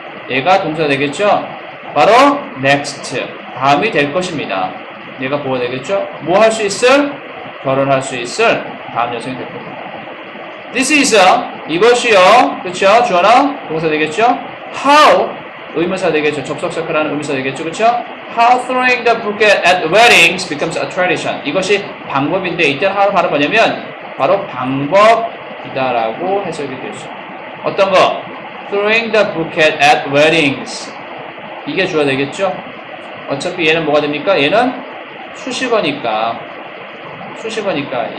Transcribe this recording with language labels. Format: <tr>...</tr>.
<ko>얘가 동사 되겠죠? 바로 next. 다음이 될 것입니다. 얘가 보호 되겠죠? 뭐 할 수 있을? 결혼할 수 있을 다음 여성이 될 겁니다.</ko> <en>This is,</en> <ko>이것이요. 그쵸? 주어나 동사 되겠죠? How, 의문사 되겠죠? 접속사크라는 의문사 되겠죠? 그쵸?</ko> <en>How throwing the bouquet at weddings becomes a tradition.</en> <ko>이것이 방법인데, 이때 how 발음 뭐냐면, 바로 방법이다라고 해석이 되죠. 어떤 거?</ko> <en>Throwing the bouquet at weddings.</en> <ko>이게 주어 되겠죠? 어차피 얘는 뭐가 됩니까? 얘는 수식어니까. 수식어니까.</ko>